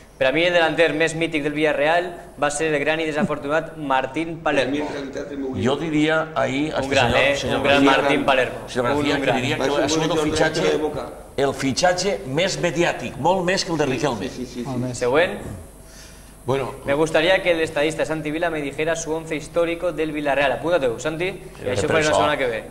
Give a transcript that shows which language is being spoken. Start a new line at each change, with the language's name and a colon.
Catalan: Per a mi el delanter més mític del Villarreal va ser el gran i desafortunat Martín Palermo. Jo diria ahir... Un gran Martín Palermo. Que diria que ha sigut el fitxatge més mediàtic, molt més que el de Riquelme. Sí. Següent.
Spanish: Bueno, me gustaría que el estadista Santi Vila me dijera su once histórico del Villarreal.
Catalan: Apúntate-ho, Santi, i això farem la setmana que ve.